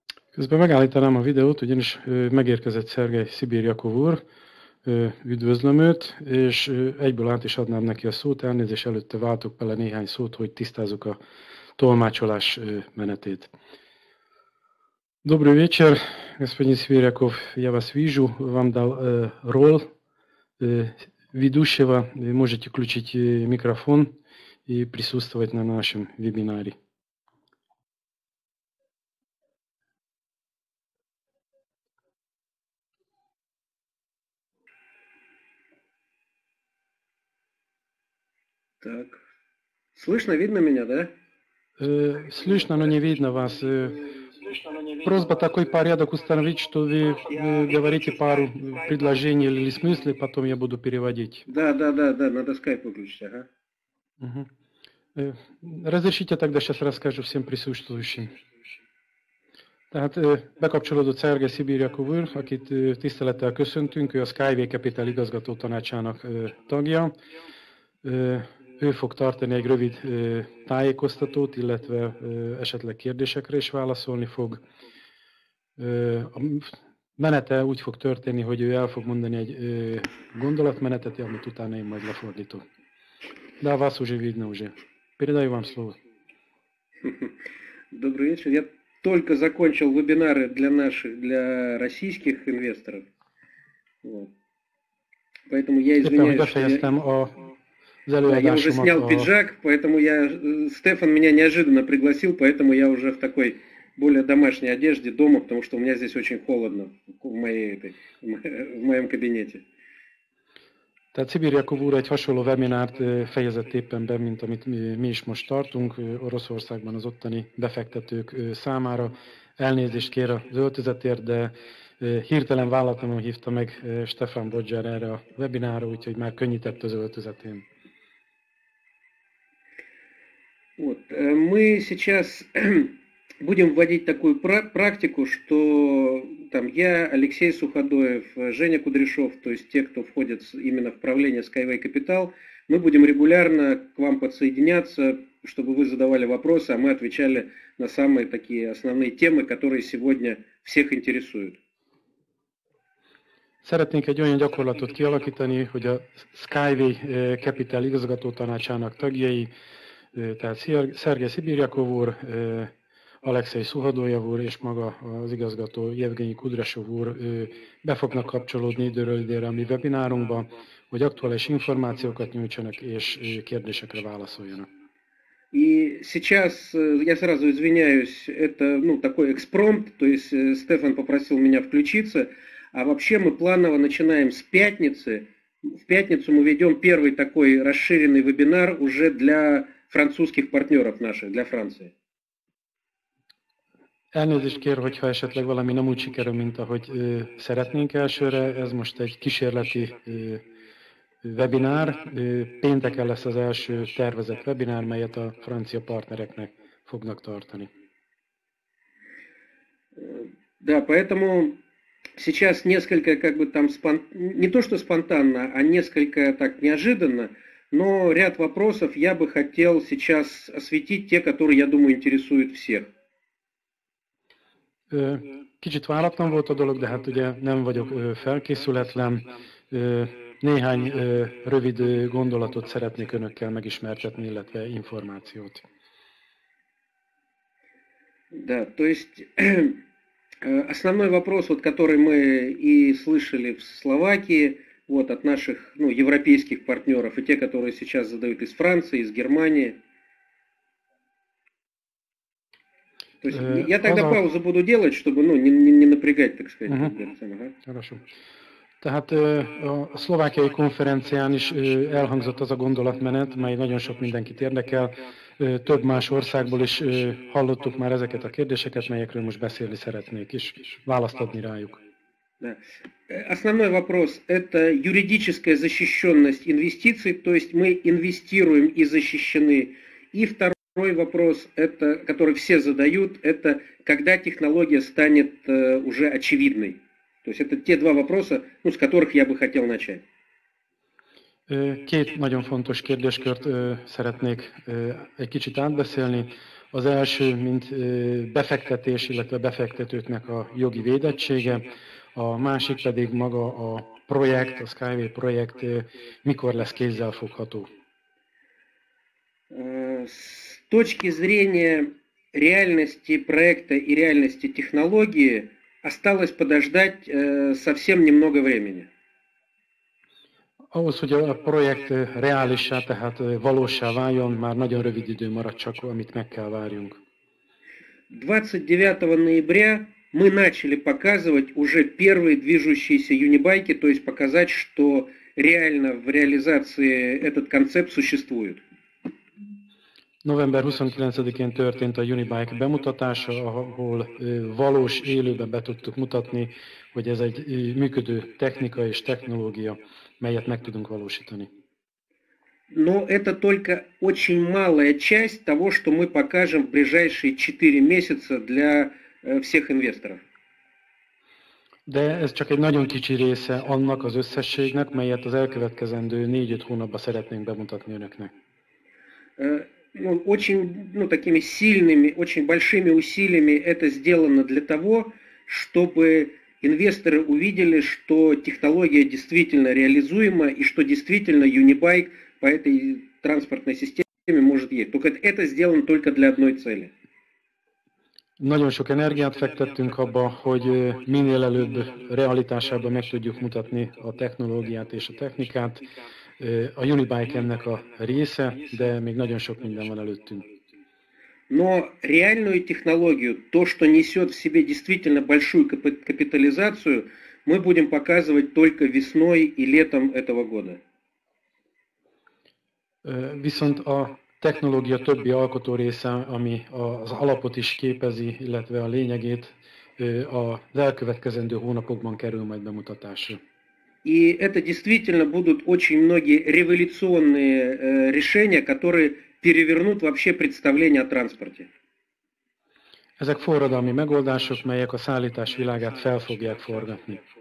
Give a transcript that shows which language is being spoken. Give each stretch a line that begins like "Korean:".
Hungarian: Közben megállítanám a videót, ugyanis megérkezett Szergej Szibirjakov úr. Üdvözlöm őt, és egyből át is adnám neki a szót, elnézés előtte váltok bele néhány szót, hogy tisztázzuk a tolmácsolás menetét.
Slovak: Dobrý večer,
Russian: господин Свиряков, я вас вижу, вам дал роль ведущего, вы можете включить микрофон и присутствовать на нашем вебинаре. Так. Слышно, видно меня, да? Слышно, но не видно вас. Просьба такой порядок установить, что вы говорите пару предложений или смыслов, потом я буду переводить. Да, надо скайп выключить, ага. Разрешите тогда сейчас расскажу всем присутствующим.
Hungarian: Tehát bekapcsolódott Szergej Szibirjakov úr, akit tisztelettel köszöntünk, ő a Skyway Capital igazgató tanácsának tagja. Ő fog tartani egy rövid tájékoztatót, illetve esetleg kérdésekre is válaszolni fog. A menete úgy fog történni, hogy ő el fog mondani egy gondolatmenetet, amit utána én majd lefordítok. De a vás
Russian: уже видно уже. Передаю вам слово. Добрый вечер. Я только закончил вебинары для наших, для российских инвесторов. Поэтому я извиняюсь. Да, я уже снял пиджак, поэтому я Стефан меня неожиданно пригласил, поэтому я уже в такой более домашней одежде дома, потому что у меня здесь очень холодно в моем кабинете.
Hungarian: Tehát Szibirjakov úr egy hasonló webinárt fejezett éppen be, mint amit mi is most tartunk Oroszországban az ottani befektetők számára. Elnézést kér az öltözetért, de hirtelen vállalatlanul hívta meg Stefan Bodzsár erre a webinára, úgyhogy már könnyített az öltözetén.
Russian: Вот, мы сейчас будем вводить такую практику, что там я, Алексей Суходоев, Женя Кудряшов, то есть те, кто входит именно в правление Skyway Capital, мы будем регулярно к вам подсоединяться, чтобы вы задавали вопросы, а мы отвечали на самые такие основные темы, которые сегодня всех интересуют.
Hungarian: Szeretnénk egy olyan gyakorlatot kialakítani, hogy a Skyway Capital igazgató tanácsának tagjai, tehát Szergej Szibirjakov úr, Alexei Szuhadojev úr és maga az igazgató Jevgenyi Kudrasov úr be fognak kapcsolódni időről időre a mi webinárunkba, hogy aktuális információkat nyújtsanak és kérdésekre válaszoljanak.
Russian: И сейчас я сразу извиняюсь, это ну такой экспромт, то есть Стефан попросил меня включиться, а вообще мы планово начинаем с пятницы. В пятницу мы ведем первый такой расширенный вебинар уже для французских партнеров наших, для Франции.
Hungarian: Elnézést kér, hogyha esetleg valami nem úgy sikerül, mint ahogy szeretnénk elsőre, ez most egy kísérleti webinár. Pénteken lesz az első tervezett webinár, melyet a francia partnereknek fognak tartani.
Russian: Да, поэтому сейчас несколько как бы там не то что спонтанно, а несколько так неожиданно. Но ряд вопросов я бы хотел сейчас осветить, те, которые, я думаю, интересуют всех.
Hungarian: Kicsit váratlan volt a dolog, de hát ugye nem vagyok felkészületlen. Néhány rövid gondolatot szeretnék önökkel megismertetni, illetve információt.
Russian: Да, то есть основной вопрос, вот, который мы и слышали в Словакии, вот от наших ну, европейских партнеров и те, которые сейчас задают из Франции, из Германии. То есть, я тогда паузу буду делать, чтобы ну, не напрягать, так сказать. Хорошо.
Hungarian: Tehát a szlovákiai konferencián is elhangzott az a gondolatmenet, mely nagyon sok mindenkit érdekel. Több más országból is hallottuk már ezeket a kérdéseket, melyekről most beszélni szeretnék, és választ adni rájuk.
Russian: Основной вопрос – это юридическая защищенность инвестиций, то есть мы инвестируем и защищены. И второй вопрос, это, который все задают, это когда технология станет уже очевидной. То есть это те два вопроса, ну, с которых я бы хотел начать.
Hungarian: Két nagyon fontos kérdéskört szeretnék egy kicsit átbeszélni. Az első, mint befektetés, illetve befektetőknek a jogi védettsége. A másik pedig maga a projekt, a Skyway projekt, mikor lesz kézzelfogható?
Russian: С точки зрения реальности проекта и реальности технологии осталось подождать совсем немного времени.
Hungarian: Ahhoz, hogy a projekt reálissá, tehát valóssá váljon, már nagyon rövid idő maradt csak, amit meg kell várjunk.
Russian: 29 ноября мы начали показывать уже первые движущиеся юнибайки, то есть показать, что реально в реализации этот концепт существует.
Hungarian: November 29-én történt a Unibike bemutatása, ahol valós élőben be tudtuk mutatni, hogy ez egy működő technika és technológia, melyet meg tudunk valósítani.
Russian: Но это только очень малая часть того, что мы покажем в ближайшие 4 месяца для всех инвесторов.
Hungarian: De ez csak egy nagyon kicsi része annak az összességnek, melyet az elkövetkezendő 4-5 hónapban szeretnénk bemutatni önöknek.
Russian: Ну, очень, ну, такими сильными, очень большими усилиями это сделано для того, чтобы инвесторы увидели, что технология действительно реализуема и что действительно Unibike по этой транспортной системе может ехать. Только это сделано только для одной цели.
Hungarian: Nagyon sok energiát fektettünk abba, hogy minél előbb realitásába meg tudjuk mutatni a technológiát és a technikát. A Unibike ennek a része, de még nagyon sok minden van előttünk.
Russian: Но реальную технологию, то, что несет в себе действительно большую капитализацию, мы будем показывать только весной и летом этого года.
Hungarian: Viszont a technológia többi alkotó része, ami az alapot is képezi, illetve a lényegét, az elkövetkezendő hónapokban kerül majd bemutatásra.
Russian: И это действительно будут очень многие революционные решения, которые перевернут вообще представление о транспорте.
Hungarian: Ezek forradalmi megoldások, melyek a szállítás világát fel fogják forgatni.